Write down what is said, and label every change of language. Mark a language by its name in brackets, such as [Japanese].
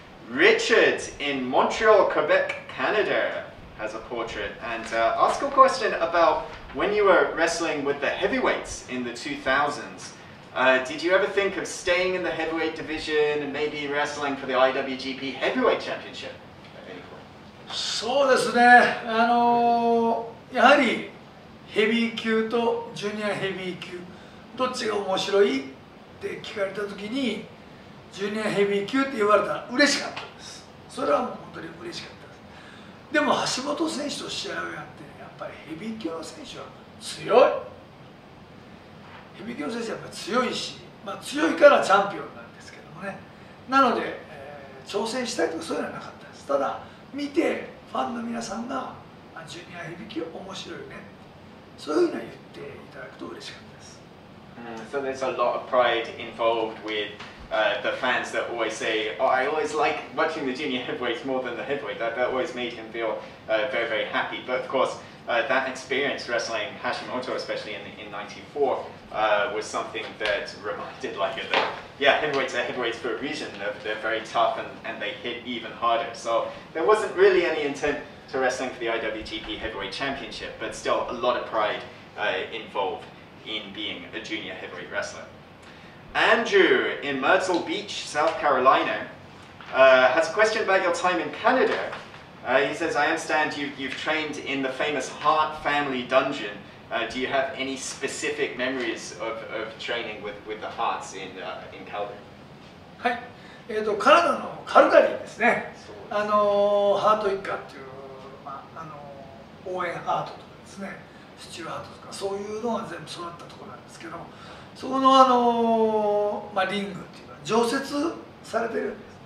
[English] Richard in Montreal, Quebec, Canada has a portrait. And ask a question about when you were wrestling with the heavyweights in the 2000s, did you ever think of staying in the heavyweight division and maybe wrestling for the IWGP Heavyweight Championship at any point? [Japanese] そうですね。やはりヘビー級とジュニアヘビー級、どっちが面白いって聞かれた時に、ジュニアヘビー級って言われたら嬉しかったです。それは本当に嬉しかったです。でも橋本選手と試合をやって、やっぱりヘビー級の選手は強い。ヘビー級の選手はやっぱ強いし、まあ、強いからチャンピオンなんですけどもね。なので、挑戦したいとかそういうのはなかったです。ただ見てファンの皆さんが、まあ、ジュニアヘビー級面白いね、そういうふうに言っていただくと嬉しかったです。 [English] So there's a lot of pride involved with the fans that always say, "Oh, I always like watching the junior heavyweights more than the heavyweight." That always made him feel very, very happy. But of course. That experience wrestling Hashimoto, especially in 94, was something that reminded Liger that, yeah, heavyweights are heavyweights for a reason. They're very tough and they hit even harder. So there wasn't really any intent to wrestling for the IWGP Heavyweight Championship, but still a lot of pride involved in being a junior heavyweight wrestler. Andrew in Myrtle Beach, South Carolina, has a question about your time in Canada. He says, I understand you've trained in the famous Hart family dungeon. Do you have any specific memories of training with the Harts in Calgary? [Japanese] はい。カナダのカルガリーですね。ハート一家っていう、まあ、応援ハートとかですね、スチューハートとか、そういうのが全部育ったところなんですけど、そこの、まあ、リングっていうか、常設されてるんです。